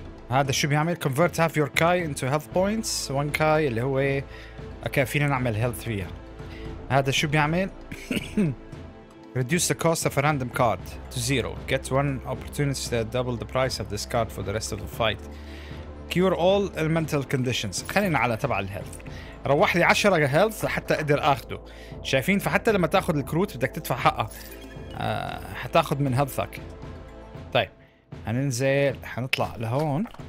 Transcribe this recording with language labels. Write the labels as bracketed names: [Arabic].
[Arabic] هذا شو بيعمل؟ [English] convert half your kai into health points. one kai [Arabic] اللي هو okay فينا نعمل health فيها. هذا شو بيعمل؟ [English] reduce the cost of a random card to zero. get one opportunity to double the price of this card for the rest of the fight. cure all elemental conditions. [Arabic] خلينا على تبع الhealth. روح لي 10 health حتى أقدر أخده. شايفين؟ فحتى لما تأخذ الكروت بدك تدفع حقها. حتأخذ من healthك. طيب. هننزل حنطلع لهون.